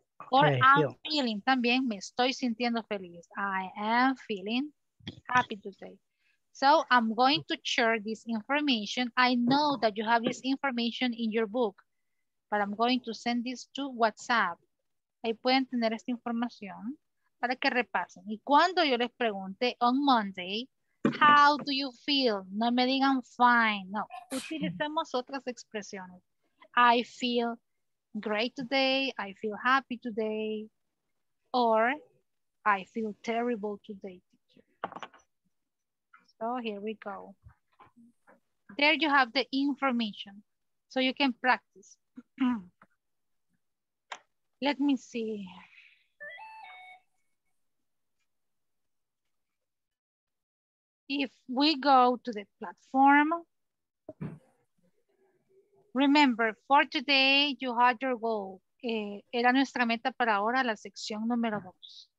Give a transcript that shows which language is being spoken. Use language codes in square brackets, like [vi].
[en] Or I'm feeling también, [es] me estoy sintiendo feliz. [en] I am feeling happy today. So I'm going to share this information. I know that you have this information in your book, but I'm going to send this to WhatsApp. [es] Ahí pueden tener esta información para que repasen. Y cuando yo les pregunte [en] on Monday, how do you feel? [es] No me digan fine. No, utilicemos otras expresiones. [en] I feel great today, I feel happy today, or I feel terrible today, teacher. So here we go. There you have the information, so you can practice. Let me see. If we go to the platform, remember, for today, you had your goal. [es] Era nuestra meta para ahora, la sección número 2.